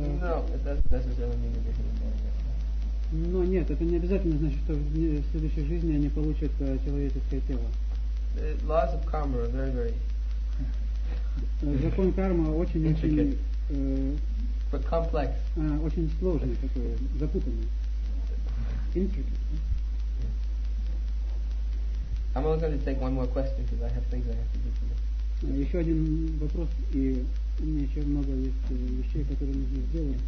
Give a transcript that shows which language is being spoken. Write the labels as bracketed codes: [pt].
[en] No, it doesn't necessarily mean that they're human body. [ru] No, нет, это не обязательно значит, что в следующей жизни они получат человеческое тело. [en] The laws of karma are very, very... [ru] Закон кармы очень-очень... [en] But complex. [ru] Очень сложный такой, запутанный. [en] Intricate. I'm only going to take one more question because I have things I have to do today. [ru] Еще один вопрос, и у меня еще много есть вещей, которые нужно сделать.